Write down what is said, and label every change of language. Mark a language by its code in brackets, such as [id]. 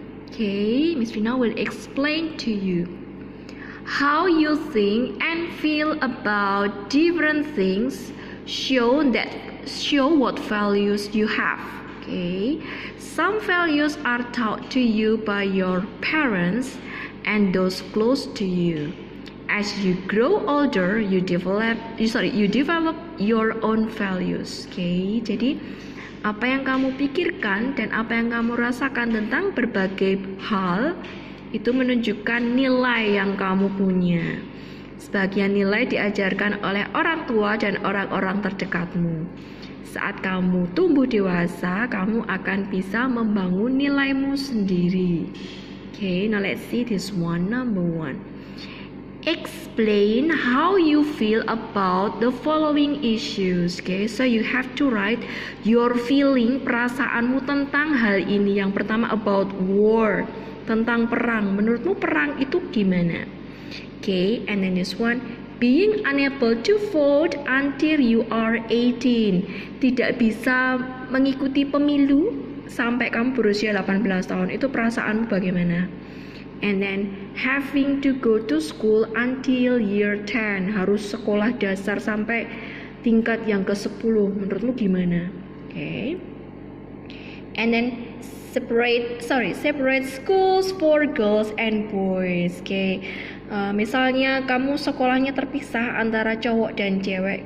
[en] Okay, Miss Rina will explain to you how you think and feel about different things show what values you have. Okay, some values are taught to you by your parents and those close to you. As you grow older, you develop your own values. [id] Okay, jadi apa yang kamu pikirkan dan apa yang kamu rasakan tentang berbagai hal itu menunjukkan nilai yang kamu punya. Sebagian nilai diajarkan oleh orang tua dan orang-orang terdekatmu. Saat kamu tumbuh dewasa, kamu akan bisa membangun nilaimu sendiri. [en] Okay, now let's see this one. Number one. Explain how you feel about the following issues. Okay, so you have to write your feeling, [id] perasaanmu tentang hal ini. Yang pertama [en] about war. [id] Tentang perang, menurutmu perang itu gimana? [en] Okay, and then this one, being unable to vote until you are 18. [id] Tidak bisa mengikuti pemilu sampai kamu berusia 18 tahun, itu perasaanmu bagaimana? [en] And then having to go to school until year 10, [id] harus sekolah dasar sampai tingkat yang ke-10, menurutmu gimana? [en] Okay. And then separate schools for girls and boys. [id] Okay, misalnya kamu sekolahnya terpisah antara cowok dan cewek.